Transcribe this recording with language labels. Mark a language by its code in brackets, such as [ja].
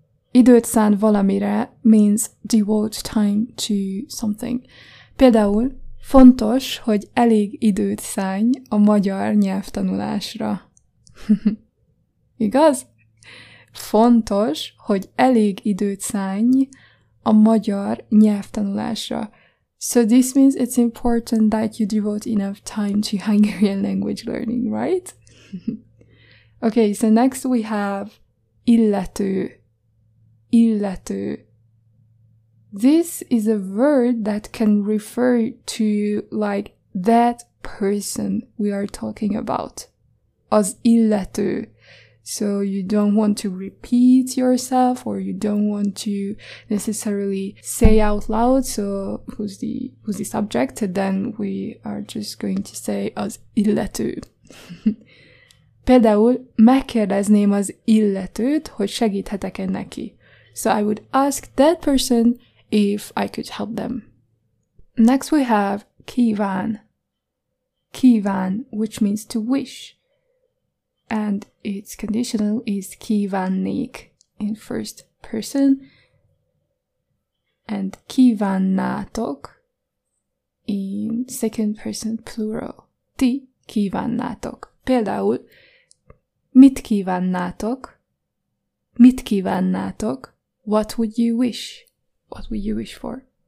[hu] Időt szán valamire [en] means devote time to something. [hu] Például fontos, hogy elég időt szánj a magyar nyelvtanulásra. Igaz? Fontos, hogy elég időt szánj a magyar nyelvtanulásra. [en] So this means it's important that you devote enough time to Hungarian language learning, right? Okay, so next we have illető. Illető. This is a word that can refer to like that person we are talking about, [hu] az illető. [en] So you don't want to repeat yourself, or you don't want to necessarily say out loud, so who's the subject, and then we are just going to say [hu] az illető. Például megkérdezném az illetőt, hogy segíthetek-e neki. [en] So I would ask that person if I could help them. Next we have kíván. Kíván, which means to wish. And its conditional is kívánnék in first person. And kívánnátok in second person plural. [hu] Ti kívánnátok. Például, mit kívánnátok? Mit kívánnátok? [en] What would you wish? What would you wish for?